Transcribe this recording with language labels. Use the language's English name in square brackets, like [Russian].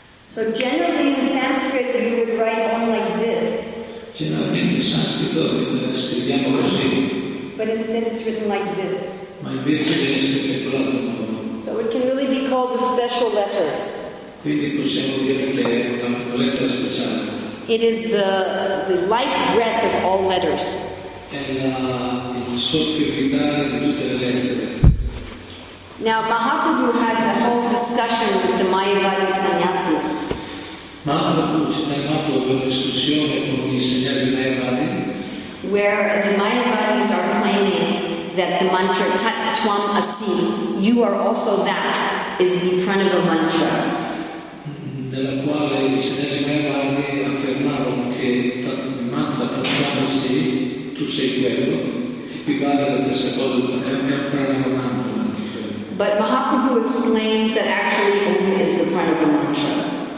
[English] So generally in Sanskrit you would write on like this. [Italian] Generalmente in sanscrito scriviamo così. [English] But instead it's written like this. [Italian] Ma invece viene scritto in quell'altro modo. [English] So it can really be called a special letter. [Italian] Quindi possiamo dire che è una lettera speciale. [English] It is the life breath of all letters. [Italian] È il soffio vitale di tutte le lettere. [English] Now Mahaprabhu has a whole discussion with the Mayavadi sannyasis. [Italian] Mahaprabhu ci ha fatto una discussione con gli sannyasi Mayavadi. [English] Where the Mayavadis are claiming that the mantra Tat Tvam Asi, you are also that, is the pranava mantra. [Italian] Nella quale gli sannyasi Mayavadi affermarono che il mantra Tat Tvam Asi, tu sei quello, equivale alla stessa cosa, è il pranava mantra. [English] But Mahaprabhu explains that actually Om is the pranava mantra.